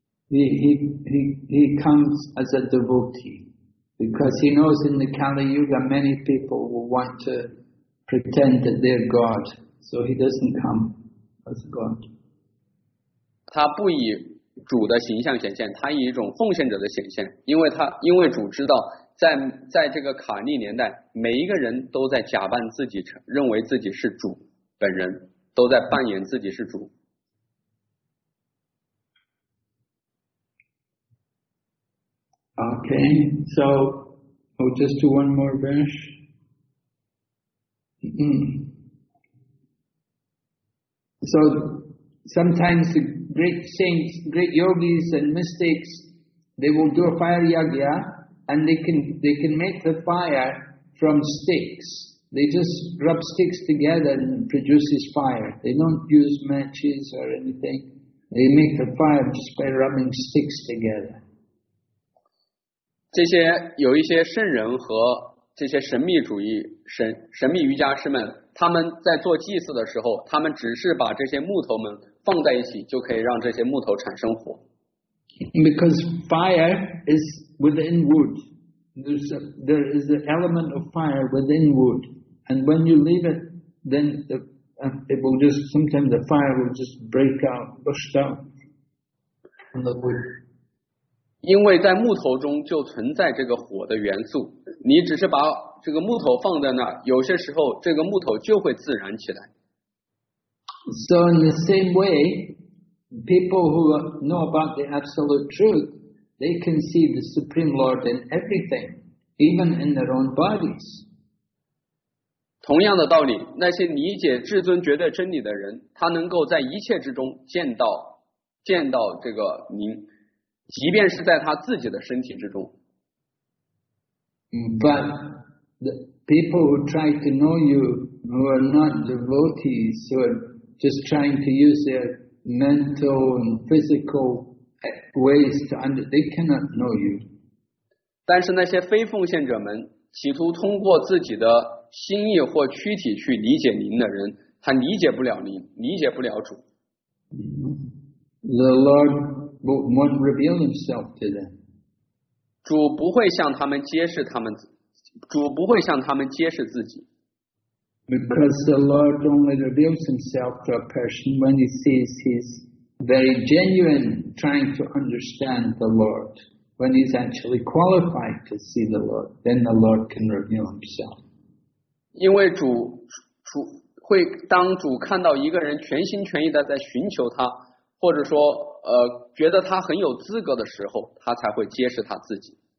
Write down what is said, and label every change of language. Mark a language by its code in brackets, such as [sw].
[en] He comes as a devotee because he knows in the Kali Yuga many people will want to pretend that they're God, so he doesn't come as God. [zh] 他不以主的形象显现，他以一种奉献者的显现，因为主知道。在这个卡利年代，每一个人都在假扮自己，认为自己是主本人，都在扮演自己是主。 [en] Okay, so I'll just do one more verse. So sometimes the great saints, great yogis and mystics, they will do a fire yagya. And they can make the fire from sticks. They just rub sticks together and produces fire. They don't use matches or anything. They make the fire just by rubbing sticks together. [zh] 这些有一些圣人和这些神秘主义神秘瑜伽师们，他们在做祭祀的时候，他们只是把这些木头们放在一起，就可以让这些木头产生火。 [en] Because fire is within wood. There is an element of fire within wood. And when you leave it, then the fire will just break out, burst out from the wood. [zh] 因为在木头中就存在这个火的元素，你只是把这个木头放在那儿，有些时候这个木头就会自燃起来。 [en] So in the same way,People who know about the Absolute Truth, they can see the Supreme Lord in everything, even in their own bodies. [zh] 同样的道理，那些理解至尊绝对真理的人，他能够在一切之中见到这个您，即便是在他自己的身体之中。 [en] But the people who try to know you, who are not devotees, who are just trying to use their mental and physical ways to under, they cannot know you. [zh] 但是那些非奉献者们企图通过自己的心意或躯体去理解您的人，他理解不了您，理解不了主。 [en] The Lord won't reveal himself to them. [zh] 主不会向他们揭示他们主不会向他们揭示自己。 [en] Because the Lord only reveals himself to a person when he sees he's very genuine trying to understand the Lord. When he's actually qualified to see the Lord, then the Lord can reveal himself. [zh] 因为主会当主看到一个人全心全意的在寻求他，或者说觉得他很有资格的时候，他才会揭示他自己。